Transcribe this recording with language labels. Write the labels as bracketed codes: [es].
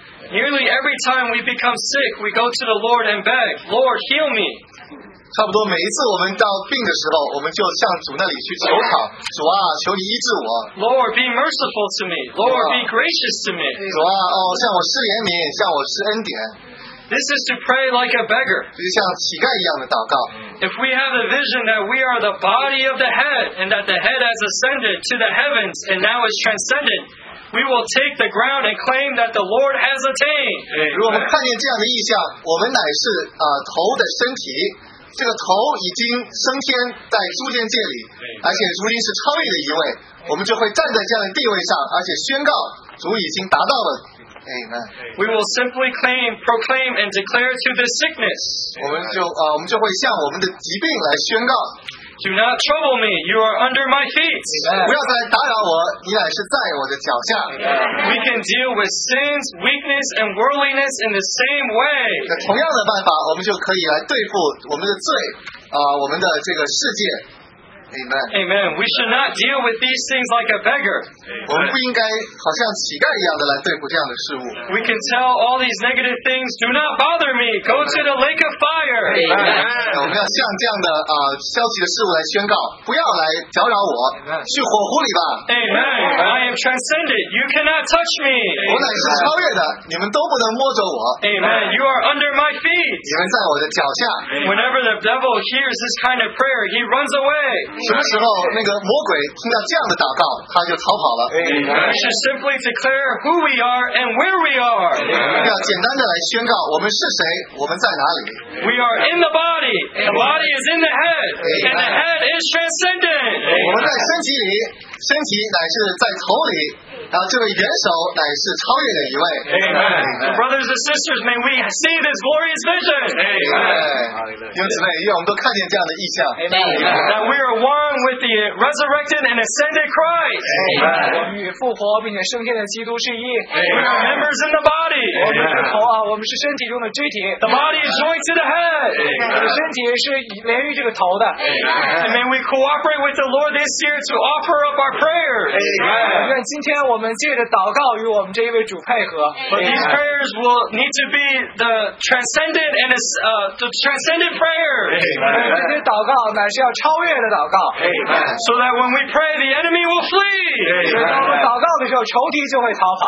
[en] Nearly every time we become sick we go to the Lord and beg Lord heal me [zh] 差不多每一次我们到病的时候我们就向主那里去求讨主啊求你医治我 [en] Lord be merciful to me Lord be gracious to me [zh] 主啊、哦、向我施怜悯向我施恩典 [en] This is to pray like a beggar. [zh] 就像乞丐一样的祷告。 [en] If we have a vision that we are the body of the head, and that the head has ascended to the heavens and now is transcended, we will take the ground and claim that the Lord has attained. [zh] 如果我们看见这样的意象，我们乃是头的身体，这个头已经升天在诸天界里，而且如今是超越的一位，我们就会站在这样的地位上，而且宣告主已经达到了。 [en] Amen. We will simply claim, proclaim, and declare to this sickness. [zh] 我们就会向我们的疾病来宣告。 [en] Do not trouble me. You are under my feet. [zh] 不要再打扰我，你乃是在我的脚下。 [en] We can deal with sins, weakness, and worldliness in the same way. [zh] 同样的办法，我们就可以来对付我们的罪，我们的这个世界。 [en] Amen. Amen. We should not deal with these things like a beggar. [zh] 我们不应该好像乞丐一样的来对付这样的事物。 [en] We can tell all these negative things, do not bother me. Go to the lake of fire. Amen. [zh] 我们要向这样的消极的事物来宣告，不要来搅扰我，去火湖里吧。 [en] Amen. I am transcended. You cannot touch me. [zh] 我乃是超越的，你们都不能摸着我。 [en] Amen. You are under my feet. [zh] 你们在我的脚下。 [en] Whenever the devil hears this kind of prayer, he runs away. [zh] 什么时候那个魔鬼听到这样的祷告，他就逃跑了。 [en] We should simply declare who we are and where we are. [zh] 要简单的来宣告我们是谁，我们在哪里。 [en] We are in the body. The body is in the head, and the head is transcendent. [zh] 我们在身体里，身体乃是在头里。然后这位元首乃是超越的一位。 [en] Amen. Brothers and sisters, may we see this glorious vision. Amen. [zh] 弟兄姊妹，愿我们都看见这样的异象。 [en] Amen. That we are one with the resurrected and ascended Christ. Amen. [zh] 与复活并且升天的基督是一。 [en] Amen. We are members in the body. [zh] 我们是头啊，我们是身体中的肢体。 [en] The body is joined to the head. [zh] 我们身体是连于这个头的。 [en] Amen. And may we cooperate with the Lord this year to offer up our prayers. Amen. [zh] 愿今天我们借着祷告与我们这一位主配合。 [en] But these prayers will need to be the transcendent and the transcendent prayer. [zh] 这些祷告乃是要超越的祷告。 [en] So that when we pray, the enemy will flee. [zh] 当我们祷告的时候，仇敌就会逃跑。